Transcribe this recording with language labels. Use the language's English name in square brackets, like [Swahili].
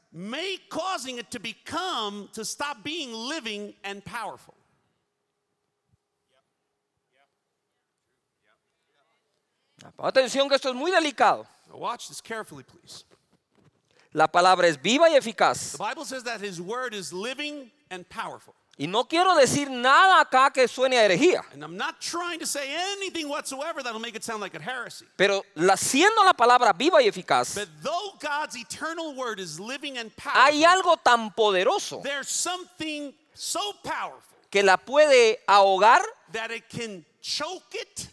[English] May causing it to become, to stop being living and powerful. [Spanish] Atención que esto es muy delicado. [English] Watch this carefully, please. [Spanish] La palabra es viva y eficaz. [English] The Bible says that his word is living and powerful. [Spanish] Y no quiero decir nada acá que suene a herejía. [English] And I'm not trying to say anything whatsoever that'll make it sound like a heresy. [Spanish] Pero la, siendo la palabra viva y eficaz, [English] but though God's eternal word is living and powerful, [Spanish] hay algo tan poderoso, [English] there's something so powerful, [Spanish] que la puede ahogar, [English] that it can choke it,